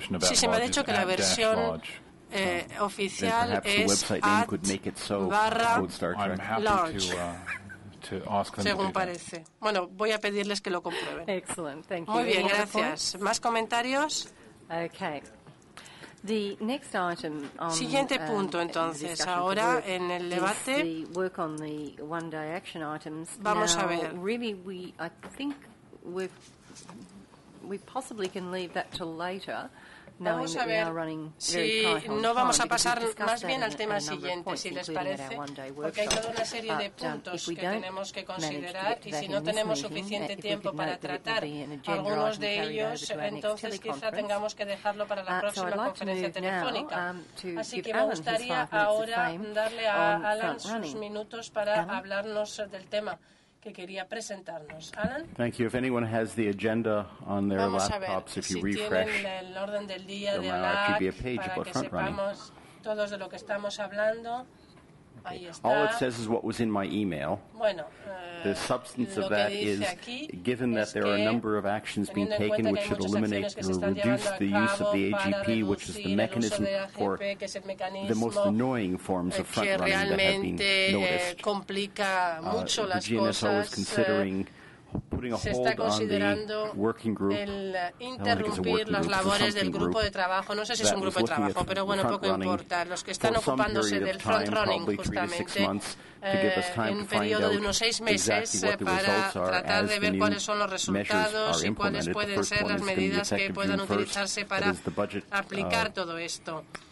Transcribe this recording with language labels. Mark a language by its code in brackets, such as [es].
[es] Sí, se me ha dicho que la versión oficial es @large, según parece. Bueno, voy a pedirles que lo comprueben. [en] Excellent, thank you. [es] Muy bien, gracias. ¿Más comentarios? [en] Okay. The next item on, [es] siguiente punto, entonces, ahora en el debate, vamos [en] now, [es] a ver. [en] Really, I think we possibly can leave that till later. [es] Vamos a ver si no vamos a pasar más bien al tema siguiente, si les parece, porque hay toda una serie de puntos que tenemos que considerar y si no tenemos suficiente tiempo para tratar algunos de ellos, entonces quizá tengamos que dejarlo para la próxima conferencia telefónica. Así que me gustaría ahora darle a Alan sus minutos para hablarnos del tema que quería presentarnos. Alan? [en] Thank you. If anyone has the agenda on their laptops, if you refresh, there might actually be a page about front running. [es] Todos de lo que estamos hablando. Ahí está. [en] All it says is what was in my email. [es] Bueno, [en] the substance of that is, given that there are a number of actions being taken which should eliminate or reduce the use of the AGP, which is the mechanism for the most annoying forms of front running that have been noticed. [es] Complica mucho las cosas. [en] The GNSO is considering putting a hold on the working group. [es] Interrumpir las labores del grupo de trabajo. No sé si es un grupo de trabajo, pero bueno, poco importa. Los que están ocupándose del front running, justamente, en un periodo de unos seis meses para tratar de ver cuáles son los resultados y cuáles pueden ser las medidas que puedan utilizarse para aplicar todo esto.